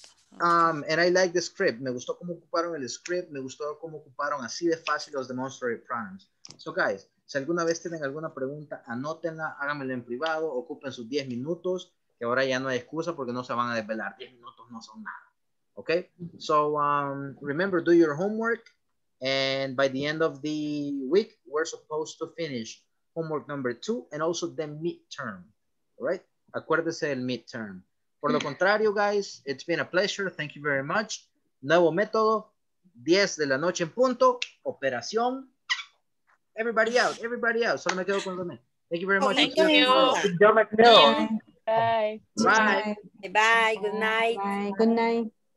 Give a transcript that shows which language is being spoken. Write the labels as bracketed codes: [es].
[en] And I like the script. [es] Me gustó cómo ocuparon el script. Me gustó cómo ocuparon así de fácil los demonstrative pronouns. So guys, si alguna vez tienen alguna pregunta, anótenla, háganmela en privado, ocupen sus 10 minutos, que ahora ya no hay excusa porque no se van a desvelar. 10 minutos no son nada. [en] Okay? So remember, do your homework. And by the end of the week, we're supposed to finish homework number 2 and also the midterm. All right? [es] Acuérdese del midterm. Por lo contrario, guys, [en] it's been a pleasure. Thank you very much. [es] Nuevo método, 10 de la noche en punto, operación. [en] Everybody out, everybody out. [es] Solo me quedo con Romé. [en] Thank you very much. Thank you. [es] Yo me quedo. [en] Bye. Bye. Bye. Bye. Bye. Good night. Bye. Good night.